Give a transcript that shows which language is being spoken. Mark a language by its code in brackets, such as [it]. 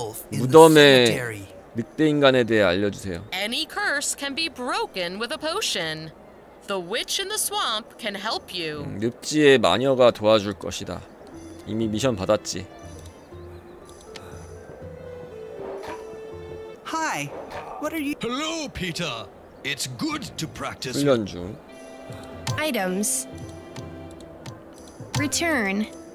[ko] 무덤의 늑대 인간에 대해 알려주세요. [en] Any curse can be broken with a potion. The witch in the swamp can help you. [ko] 늪지의 마녀가 도와줄 것이다. 이미 미션 받았지. [en] Hi. What are you? Hello, Peter. It's good to practice. [ko] 훈련 중. [en] Items. Return.